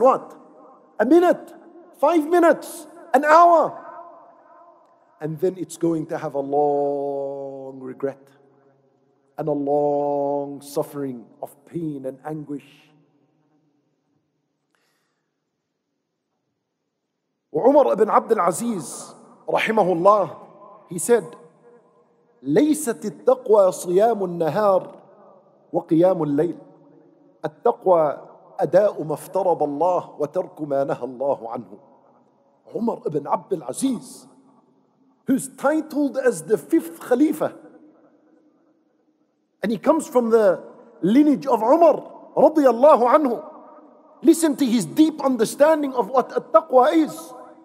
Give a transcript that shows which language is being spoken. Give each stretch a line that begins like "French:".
English: What? A minute? 5 minutes? An hour? And then it's going to have a long regret and a long suffering of pain and anguish.
Arabic: Umar ibn Abd al-Aziz, rahimahullah,
English: he said,
Arabic: ليست التقوى صيام النهار وقيام الليل التقوى أداء ما افترض الله وترك ما نهى الله عنه.
English: Umar ibn Abd al-Aziz, who's titled as the fifth Khalifa, and he comes from the lineage of Umar radiyallahu anhu. Listen to his deep understanding of what at-taqwa is.